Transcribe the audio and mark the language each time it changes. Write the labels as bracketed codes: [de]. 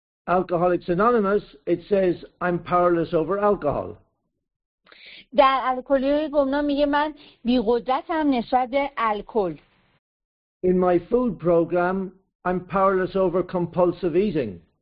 [en] Alcoholics Anonymous, it says, I'm powerless over alcohol. [fa] در الکلیوی گمنام میگه من بیقدرتم نسبت به الکل. [en] In my food program, I'm powerless over compulsive eating.